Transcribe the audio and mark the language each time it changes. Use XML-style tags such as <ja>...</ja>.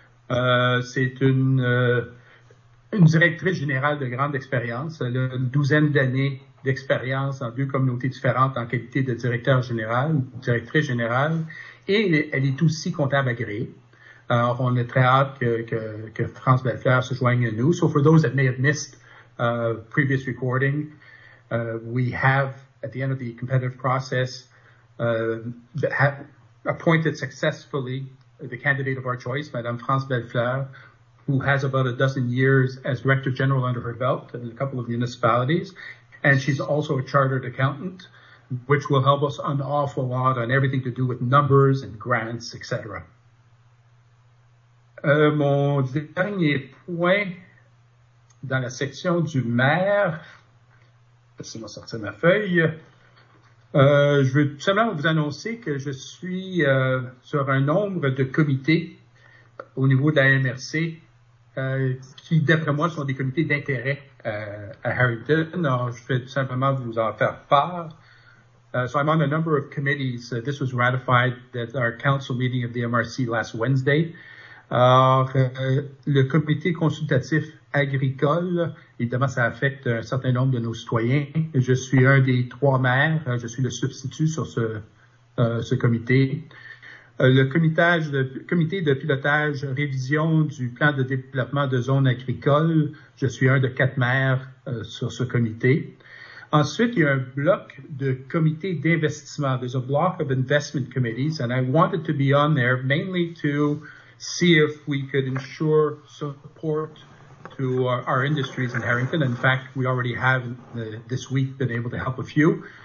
<fr>C'est une directrice générale de grande expérience. Elle a une douzaine d'années d'expérience dans deux communautés différentes en qualité de directeur général ou directrice générale. Et elle est aussi comptable agréée. Alors, on est très hâte que France Bellefleur se joigne à nous.</fr> <en>So for those that may have missed previous recording, we have at the end of the competitive process, have appointed successfully the candidate of our choice, Madame France Bellefleur, who has about a dozen years as Director General under her belt in a couple of municipalities. And she's also a chartered accountant, which will help us an awful lot on everything to do with numbers and grants, etc.</en> <fr>Mon dernier point dans la section du maire, laissez-moi sortir ma feuille. Je veux tout simplement vous annoncer que je suis sur un nombre de comités au niveau de la MRC qui, d'après moi, sont des comités d'intérêt à Harrington. Alors, je vais tout simplement vous en faire part.</fr> <en>So I'm on a number of committees. This was ratified at our council meeting of the MRC last Wednesday.</en> <fr>Alors, le comité consultatif agricole, évidemment, ça affecte un certain nombre de nos citoyens. Je suis un des trois maires. Je suis le substitut sur ce comité. Le comité de pilotage révision du plan de développement de zones agricoles, je suis un de quatre maires sur ce comité. Ensuite, il y a un bloc de comité d'investissement.</fr> <en>There's a block of investment committees, and I wanted to be on there mainly to see if we could ensure support to our industries in Harrington. In fact, we already have this week been able to help a few.</en>